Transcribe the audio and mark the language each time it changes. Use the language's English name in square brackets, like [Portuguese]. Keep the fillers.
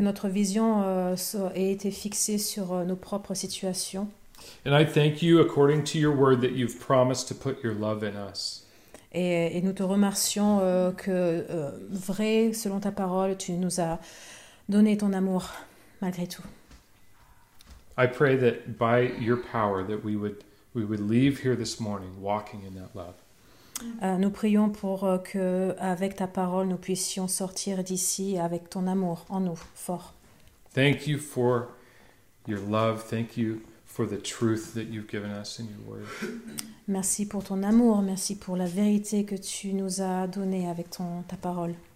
[French] notre vision ait été fixée sur nos propres situations. [English] And I thank you according to your word that you've promised to put your love in us. [French] Et, et nous te remercions euh, que euh, vrai, selon ta parole, tu nous as donné ton amour malgré tout. [English] I pray that by your power that we would we would leave here this morning walking in that love. [French] Uh, nous prions pour euh, que avec ta parole nous puissions sortir d'ici avec ton amour en nous fort. [English] Thank you for your love. Thank you. For the truth that you've given us in your word. [French] Merci pour ton amour, merci pour la vérité que tu nous as donnée avec ton ta parole.